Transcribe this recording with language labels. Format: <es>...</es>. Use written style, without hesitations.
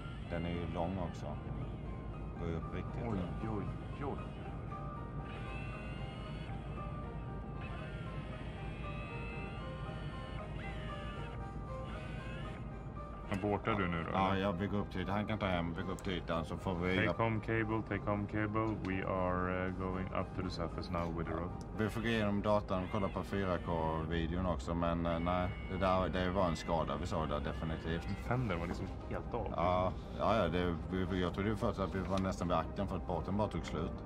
<sv>Den är ju lång också. Går upp riktigt. Oj, oj, oj. Bortar du nu då? Ja, jag vill gå upp till ytan. Han kan ta hem. Vi går upp till ytan så får vi...</sv> <en>Take home cable. We are going up to the surface now with the road.</en> <sv>Vi får gå igenom datan och kolla på 4K-videon också. Men nej, det var en skada vi såg där definitivt. Fender var liksom helt av. Ja, det, jag trodde ju först att vi var nästan vid akten för att båten bara tog slut.</sv>